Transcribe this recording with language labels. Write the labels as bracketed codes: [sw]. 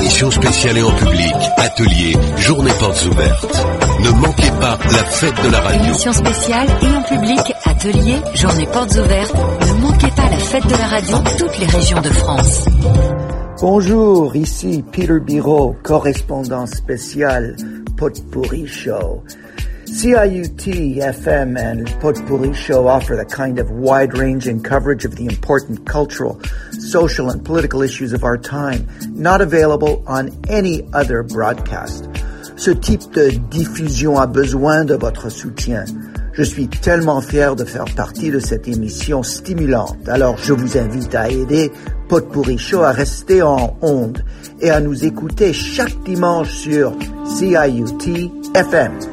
[fr] Émissions spéciales et en public, ateliers, journées portes ouvertes, ne manquez pas la fête de la radio. Émissions spéciales et en public, ateliers, journées portes ouvertes, ne manquez pas la fête de la radio dans toutes les régions de France. Bonjour, ici Peter Biraud, correspondant spécial Potpourri Show. [en] CIUT FM and Potpourri Show offer the kind of wide-ranging coverage of the important cultural, social, and political issues of our time, not available on any other broadcast. [fr] Ce type de diffusion a besoin de votre soutien. Je suis tellement fier de faire partie de cette émission stimulante. Alors, je vous invite à aider Potpourri Show à rester en onde et à nous écouter chaque dimanche sur CIUT FM.